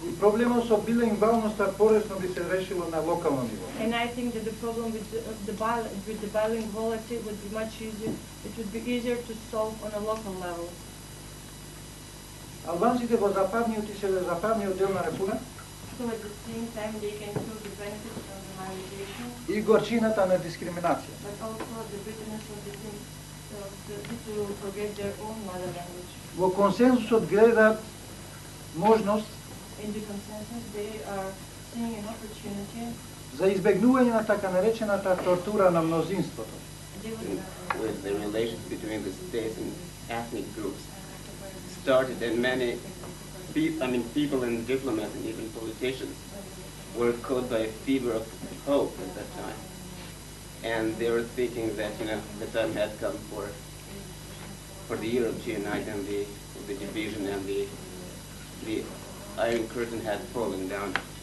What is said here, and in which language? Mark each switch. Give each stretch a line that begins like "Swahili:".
Macedonian: И проблемот со билингвалноста поресно би се решило на локално ниво.
English: And I think that the problem with the bilinguality would be much easier. It would be easier to solve on a local level.
Macedonian: Албанците во западниот и северозападниот дел на Република.
English: So at the same time they can feel the benefits of the migration.
Macedonian: И горчината на дискриминација.
English: But also the bitterness of the people who forget their own mother language.
Macedonian: Во консенсусот гледат можност.
English: In the consensus they are seeing an opportunity.
Macedonian: За избегнување на така наречената тортура на мнозинството.
English: With the relations between the states and ethnic groups started and many people and diplomats and even politicians were caught by a fever of hope at that time. And they were thinking that, you know, the time had come for for the European identity, the division, and the Iron Curtain had fallen down.